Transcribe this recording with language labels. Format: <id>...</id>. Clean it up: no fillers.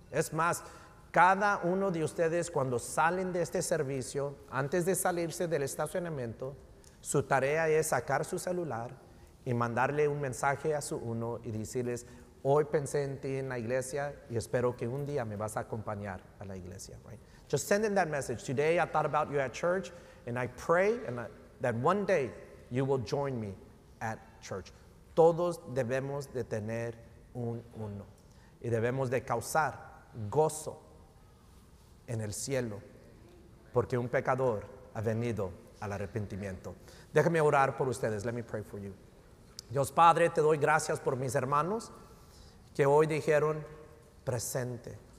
<es>Es más, cada uno de ustedes cuando salen de este servicio, antes de salirse del estacionamiento, su tarea es sacar su celular y mandarle un mensaje a su uno y decirles, hoy pensé en ti en la iglesia y espero que un día me vas a acompañar a la iglesia.</es> <en>Right? Just send in that message. Today I thought about you at church and I pray and I, that one day you will join me at church.</en> <es>Todos debemos de tener un uno. Y debemos de causar gozo en el cielo. Porque un pecador ha venido al arrepentimiento. Déjame orar por ustedes.</es> <en>Let me pray for you.</en> <es>Dios Padre, te doy gracias por mis hermanos que hoy dijeron presente.</es>